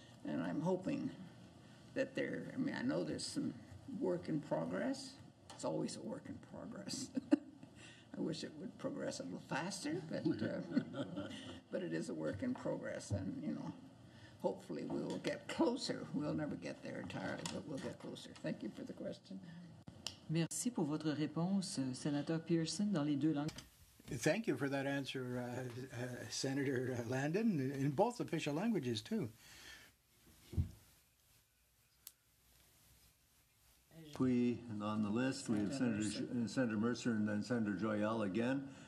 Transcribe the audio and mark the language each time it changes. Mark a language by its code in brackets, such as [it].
[en] And I'm hoping that there, I mean, I know there's some work in progress. It's always a work in progress. I wish it would progress a little faster, but but it is a work in progress. And, you know, hopefully we will get closer. We'll never get there entirely, but we'll get closer. Thank you for the question. [fr] Merci pour votre réponse, Sénateur Pearson, dans les deux langues. [en] Thank you for that answer, Senator Landon, in both official languages, too. We, and on the list, we have Senator Mercer and then Senator Joyelle again.